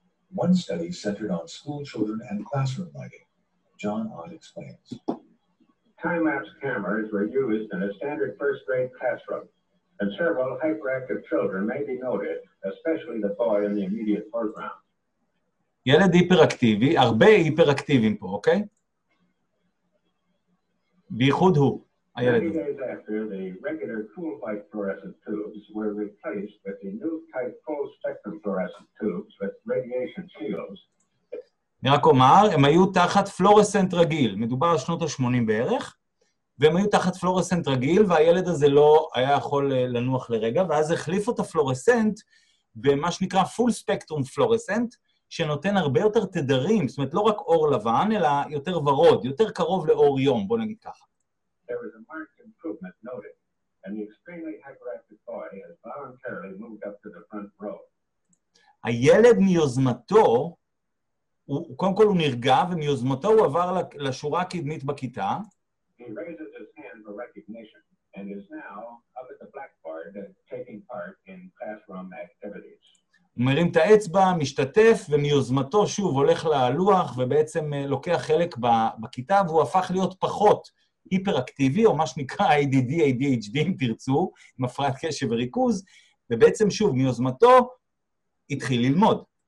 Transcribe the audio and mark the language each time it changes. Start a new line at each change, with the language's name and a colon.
English: One study centered on school children and classroom lighting. John Ott explains. Time-lapse cameras were used in a standard first-grade classroom, and several hyperactive children may be noted, especially the boy in the immediate foreground.
Hebrew: ילד היפראקטיבי, הרבה היפראקטיבים פה, אוקיי? בייחוד הוא.
English: 30 days after, the regular cool-light fluorescent tubes were replaced with the new type full-spectrum fluorescent tubes with radiation shields.
Hebrew: אני רק אומר, הם היו תחת פלורסנט רגיל, מדובר על שנות ה-80 בערך, והם היו תחת פלורסנט רגיל, והילד הזה לא היה יכול לנוח לרגע, ואז החליפו את הפלורסנט במה שנקרא
English: full-spectrum fluorescent,
Hebrew: שנותן הרבה יותר תדרים, זאת אומרת, לא רק אור לבן, אלא יותר ורוד, יותר קרוב לאור יום, בוא נגיד ככה.
English: There was a marked improvement noted, and the extremely hyperactive boy has voluntarily moved up to the front row.
Hebrew: הילד מיוזמתו, הוא קודם כל הוא נרגע, ומיוזמתו הוא עבר לשורה הקדמית בכיתה.
English: He raises his hand for recognition, and is now up at the blackboard taking part in classroom activities.
Hebrew: הוא מרים את האצבע, משתתף, ומיוזמתו שוב הולך ללוח, ובעצם לוקח חלק בכיתה, והוא הפך להיות פחות היפראקטיבי, או מה שנקרא ADD, ADHD, אם תרצו, עם הפרעת קשב וריכוז, ובעצם שוב, מיוזמתו, התחיל ללמוד.